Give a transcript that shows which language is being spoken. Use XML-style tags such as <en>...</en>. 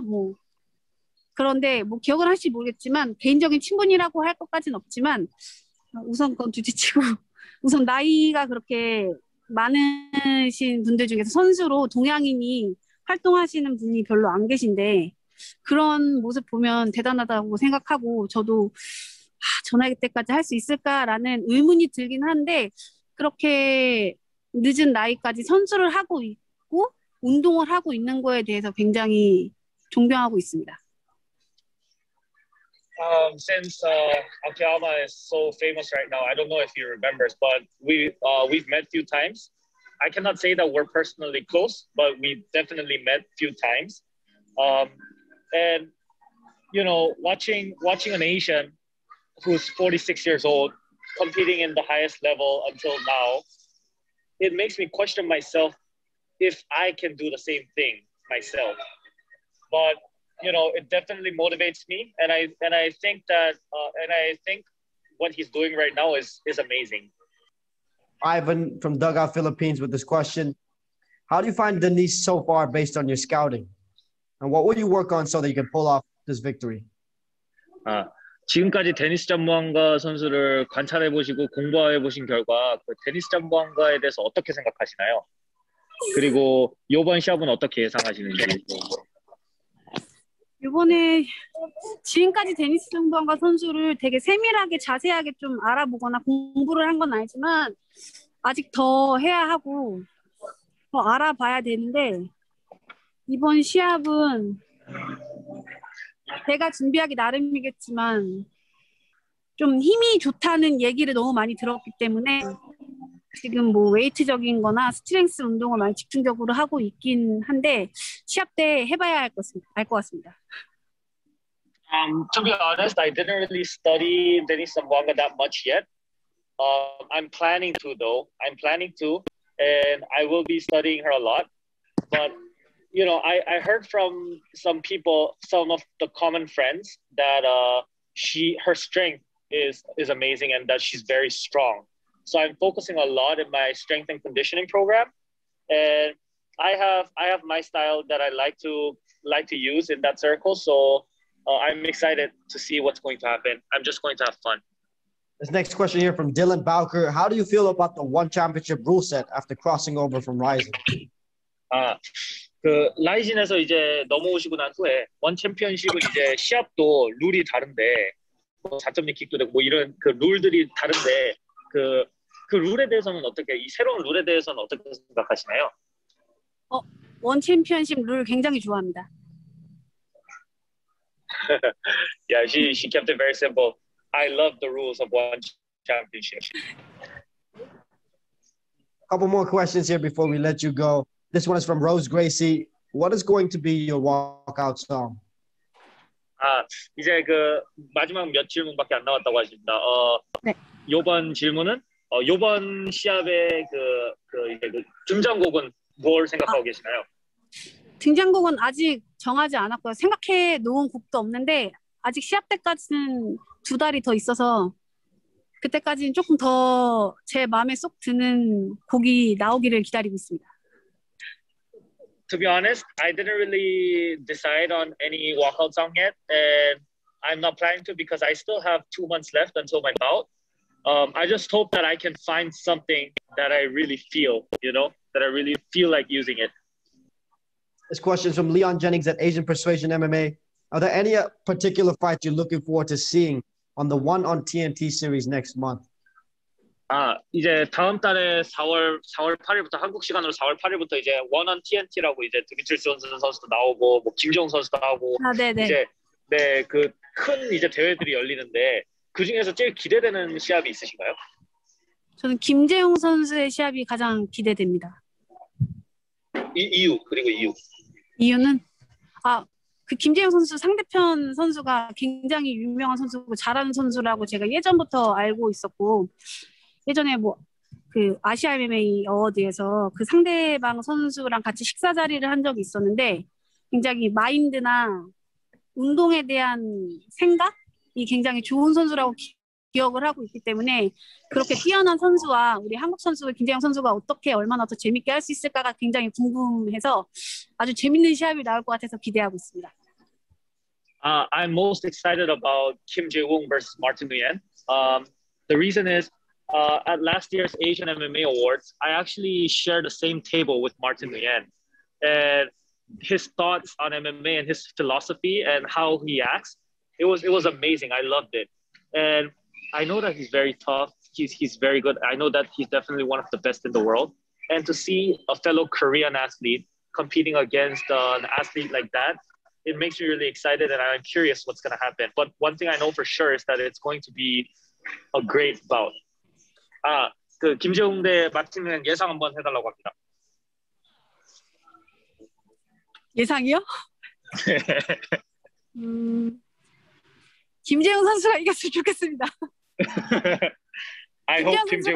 <ko>뭐 그런데 뭐 기억은 할지 모르겠지만 개인적인 친분이라고 할 것까지는 없지만 우선 그건 두지치고 우선 나이가 그렇게 많으신 분들 중에서 선수로 동양인이 활동하시는 분이 별로 안 계신데 그런 모습 보면 대단하다고 생각하고 저도 전화기 때까지 할 수 있을까라는 의문이 들긴 한데 그렇게 늦은 나이까지 선수를 하고 있고 운동을 하고 있는 거에 대해서 굉장히 존경하고 있습니다.</ko> <en>Since Akiyama is so famous right now, I don't know if he remembers, but we've met a few times. I cannot say that we're personally close, but we definitely met a few times. And, you know, watching an Asian who's 46 years old competing in the highest level until now, it makes me question myself if I can do the same thing myself. But, you know, it definitely motivates me. And I think what he's doing right now is amazing. Ivan from Dugout Philippines with this question. How do you find Denise so far based on your scouting? And what would you work on so that you can pull off this victory?</en> <ko>지금까지 데니스 잠부앙가 선수를 관찰해보시고 공부해보신 결과 그 데니스 잠부앙가에 대해서 어떻게 생각하시나요? 그리고 이번 시합은 어떻게 예상하시는지? 이번에 지금까지 데니스 정부안과 선수를 되게 세밀하게 자세하게 좀 알아보거나 공부를 한 건 아니지만 아직 더 해야 하고 더 알아봐야 되는데 이번 시합은 제가 준비하기 나름이겠지만 좀 힘이 좋다는 얘기를 너무 많이 들었기 때문에 지금 뭐 웨이트적인 거나 스트렝스 운동을 많이 집중적으로 하고 있긴 한데 시합 때 해봐야 할 것 같습니다.</ko> <en>To be honest, I didn't really study Denis Zamboanga that much yet. I'm planning to though. I'm planning to, and I will be studying her a lot. But you know, I heard from some people, some of the common friends, that her strength is amazing and that she's very strong. So I'm focusing a lot in my strength and conditioning program, and I have my style that I like to use in that circle. So I'm excited to see what's going to happen. I'm just going to have fun. This next question here from Dylan Bowker: how do you feel about the one championship rule set after crossing over from Ryzen?</en> <ko>그 라이진에서 이제 넘어오시고 난 후에 원 챔피언십은 이제 시합도 룰이 다른데 4점이 킥도 되고 뭐 이런 그 룰들이 다른데 그 룰에 대해서는 어떻게 이 새로운 룰에 대해서는 어떻게 생각하시나요? 원 챔피언십 룰 굉장히 좋아합니다.</ko> <en>Yeah, she kept it very simple. I love the rules of one championship. A couple more questions here before we let you go. This one is from Rose Gracie. What is going to be your walkout song?</en> <ko>아, 이제 그 마지막 몇 질문밖에 안 남았다고 하십니다. 네. 이번 질문은 이번 시합의 그 등장곡은 뭘 생각하고 계시나요? 등장곡은 아직 정하지 않았고요. 생각해 놓은 곡도 없는데 아직 시합 때까지는 두 달이 더 있어서 그때까지는 조금 더 제 마음에 쏙 드는 곡이 나오기를 기다리고 있습니다.</ko> <en>To be honest, I didn't really decide on any walkout song yet, and I'm not planning to because I still have 2 months left until my bout. I just hope that I can find something that I really feel, you know, that I really feel like using it. This question is from Leon Jennings at Asian Persuasion MMA. Are there any particular fights you're looking forward to seeing on the one on TNT series next month?</en> <ko>아, 이제 다음 달에 4월 8일부터 한국 시간으로 4월 8일부터 이제 원원 TNT라고 이제 드미트리스 선수도 나오고 뭐 김정 선수도 하고 아, 네네. 이제 네, 그 큰 이제 대회들이 열리는데 그 중에서 제일 기대되는 시합이 있으신가요? 저는 김재용 선수의 시합이 가장 기대됩니다. 이유 그리고 이유. 이유는 아, 그 김재용 선수 상대편 선수가 굉장히 유명한 선수고 잘하는 선수라고 제가 예전부터 알고 있었고 예전에 뭐 그 아시아 MMA 어워드에서 그 상대방 선수랑 같이 식사 자리를 한 적이 있었는데 굉장히 마인드나 운동에 대한 생각이 굉장히 좋은 선수라고 기억을 하고 있기 때문에 그렇게 뛰어난 선수와 우리 한국 선수 김재영 선수가 어떻게 얼마나 더 재밌게 할 수 있을까가 굉장히 궁금해서 아주 재밌는 시합이 나올 것 같아서 기대하고 있습니다.</ko> <en>I'm most excited about Kim Jae-woong versus Martin Nguyen. The reason is at last year's Asian MMA Awards, I actually shared the same table with Martin Nguyen. And his thoughts on MMA and his philosophy and how he acts, it was amazing. I loved it. And I know that he's very tough. He's very good. I know that he's definitely one of the best in the world. And to see a fellow Korean athlete competing against an athlete like that, it makes me really excited and I'm curious what's going to happen. But one thing I know for sure is that it's going to be a great bout.</en> <ko>아, 그 김재웅 대 마틴은 예상 한번 해달라고 합니다. 예상이요? 김재웅 선수가 이겼으면 좋겠습니다.</ko> <en>I hope 김재웅</en>